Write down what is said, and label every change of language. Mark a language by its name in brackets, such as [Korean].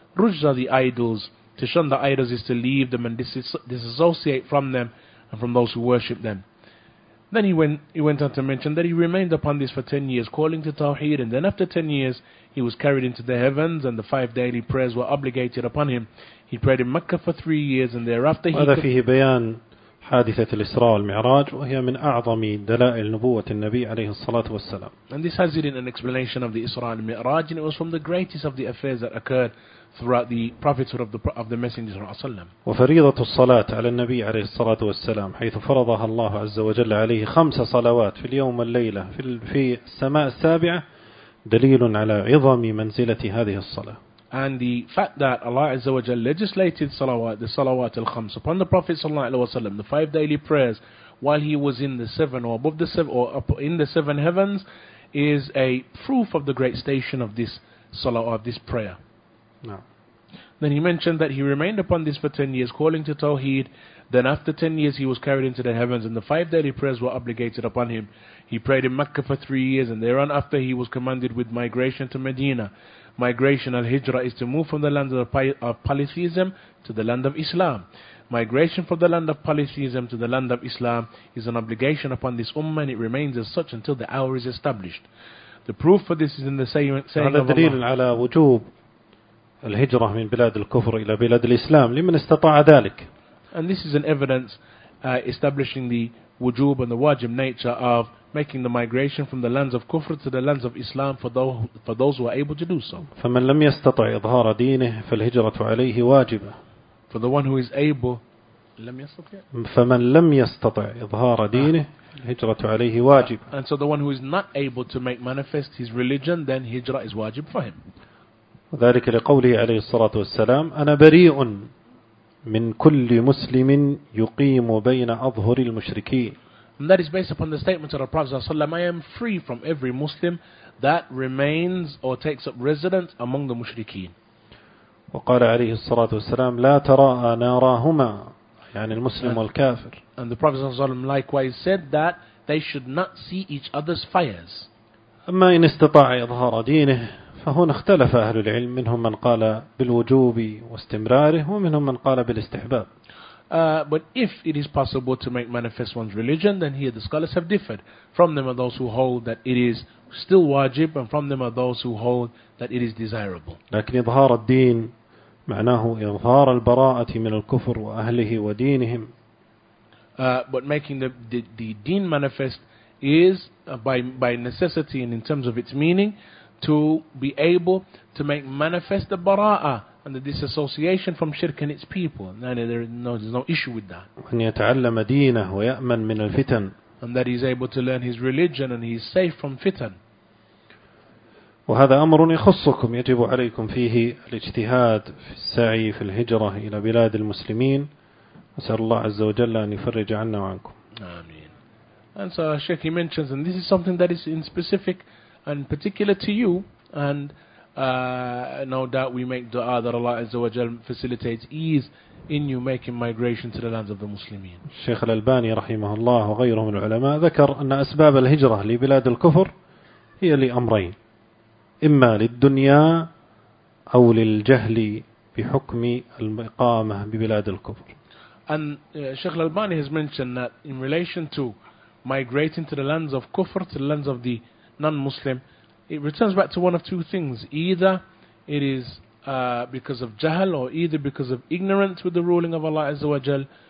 [English] Rujz are the idols. To shun the idols is to leave them and disassociate from them and from those who worship them. Then he went on to mention that he remained upon this for 10 years, calling to Tawheed, and then after 10 years he was carried into the heavens and the 5 daily prayers were obligated upon him. He prayed in Mecca for 3 years and thereafter [Arabic] هذا فيه بيان حادثة الإسراء والمعراج وهي من أعظم دلائل نبوة النبي عليه الصلاة والسلام. [English] And this has it in an explanation of the Isra and Mi'raj, and it was from the greatest of the affairs that occurred throughout the prophethood of the Messenger [Arabic] صلى الله عليه وسلم. وفريضة الصلاة على النبي عليه الصلاة والسلام حيث فرضها الله عز وجل عليه 5 صلوات في اليوم والليلة في السماء السابعة دليل على عظم منزلة هذه الصلاة. [English] And the fact that Allah Azza wa Jalla legislated salawat, the salawat al-khams, upon the Prophet sallallahu alaihi wasallam, the 5 daily prayers, while he was in the seven or above the seven or up in the seven heavens, is a proof of the great station of this salawat, of this prayer. No. Then he mentioned that he remained upon this for 10 years, calling to Tawheed. Then after 10 years, he was carried into the heavens, and the 5 daily prayers were obligated upon him. He prayed in Mecca for 3 years, and thereafter he was commanded with migration to Medina. Migration al-hijra is to move from the land of polytheism to the land of Islam. Migration from the land of polytheism to the land of Islam is an obligation upon this ummah, and it remains as such until the hour is established. The proof for this is in the saying of [Arabic] الدليل [English] Allah. [Arabic] على وجوب الهجرة من بلاد الكفر إلى بلاد الإسلام لمن استطاع ذلك. [English] And this is an evidence establishing the wujub and the wajib nature of making the migration from the lands of kufr to the lands of Islam for those who are able to do so. [Arabic] فمن لم يستطع إظهار دينه فالهجرة عليه واجبة. [English] For the one who is able, [Arabic] لم يستطع. فمن لم يستطع إظهار دينه الهجرة عليه واجبة. [English] And so the one who is not able to make manifest his religion, then هجرة is wajib for him. [Arabic] وذلك لقوله عليه الصلاة والسلام أنا بريء من كل مسلم يقيم بين أظهر المشركين. [English] And that is based upon the statement of the Prophet ﷺ, I am free from every Muslim that remains or takes up residence among the mushrikeen. [Arabic] وقال عليه الصلاة والسلام لا ترى ناراهما, يعني المسلم والكافر. [English] And the Prophet ﷺ likewise said that they should not see each other's fires. [Arabic] أما إن استطاع إظهار دينه فهنا اختلف أهل العلم, منهم من قال بالوجوب واستمراره ومنهم من قال بالاستحباب. [English] But if it is possible to make manifest one's religion, then here the scholars have differed. From them are those who hold that it is still wajib, and from them are those who hold that it is desirable. [Arabic] لكن إظهار الدين معناه إظهار البراءة من الكفر وأهله ودينهم. [English] But making the deen manifest is by necessity and in terms of its meaning to be able to make manifest the bara'ah and the disassociation from shirk and its people. And there's no issue with that. [Arabic] أن يتعلم دينه ويأمن من الفتن. [English] And that he's able to learn his religion and he's safe from fitan. [Arabic] وهذا أمر يخصكم يجب عليكم فيه الاجتهاد في السعي في الهجرة إلى بلاد المسلمين. أسأل الله عز وجل أن يفرج عنا وعنكم. آمين. [English] And so Sheikh, he mentions, and this is something that is in specific and particular to you, and no doubt we make dua that Allah Azza wa Jal facilitates ease in you making migration to the lands of the Muslimin. [Arabic] Sheikh Al-Albani رحمه الله وغيره من العلماء ذكر أن أسباب الهجرة لبلاد الكفر هي لأمرين، إما للدنيا أو للجهل بحكم الإقامة ببلاد الكفر. [English] And Sheikh Al-Albani has mentioned that in relation to migrating to the lands of kufr, to the lands of the non-Muslim, it returns back to one of two things. Either it is because of jahl, or either because of ignorance with the ruling of Allah Azza wa Jal.